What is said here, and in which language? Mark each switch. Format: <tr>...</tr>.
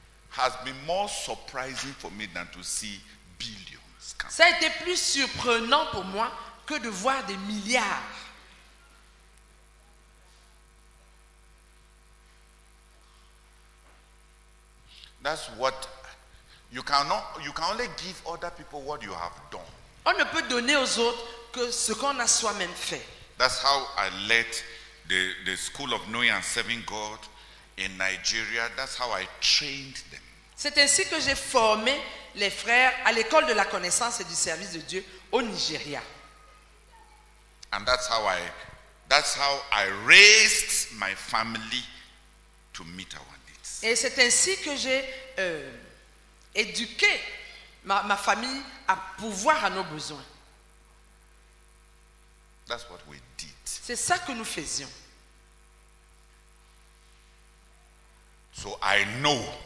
<en>has been more surprising for me than to see billions.</en> <fr>Ça a été plus surprenant pour moi que de voir des milliards.</fr> <en>That's what you cannot. You can only give other people what you have done.</en> <fr>On ne peut donner aux autres que ce qu'on a soi-même fait.</fr> <en>That's how I led the school of knowing and serving God in Nigeria. That's how I trained them.</en> <fr>C'est ainsi que j'ai formé les frères à l'école de la connaissance et du service de Dieu au Nigeria.</fr> <en>And that's how I raised my family to meet our.</en> <fr>Et c'est ainsi que j'ai éduqué ma famille à pouvoir à nos besoins.</fr> <en>That's what we did.</en> <fr>C'est ça que nous faisions.</fr> <en>So I know.</en>